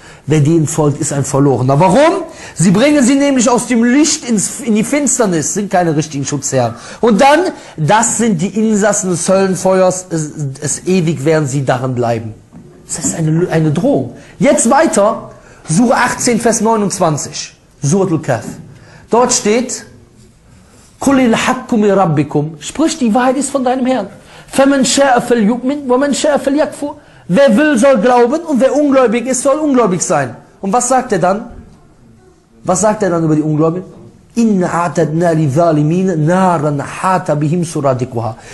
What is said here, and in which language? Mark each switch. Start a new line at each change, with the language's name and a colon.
German: Wer denen folgt, ist ein Verlorener. Warum? Sie bringen sie nämlich aus dem Licht in die Finsternis, sind keine richtigen Schutzherren. Und dann, das sind die Insassen des Höllenfeuers, es ewig werden sie darin bleiben. Das ist eine Drohung. Jetzt weiter, Sure 18, Vers 29, Surat al-Kahf.
Arabic: Dort steht, قُلِ الْحَقُّ مِنْ رَبِّكُمْ.
German: Sprich, die Wahrheit ist von deinem Herrn.
Arabic: فَمَنْ شَاءَ فَلْيُؤْمِنْ وَمَنْ شَاءَ فَلْيَكْفُرْ.
German: Wer will, soll glauben, und wer ungläubig ist, soll ungläubig sein. Und was sagt er dann? Was sagt er dann über die Ungläubigen?
Arabic: Inna a'tadna lidh-dhalimina naran hata bihim suradiquha.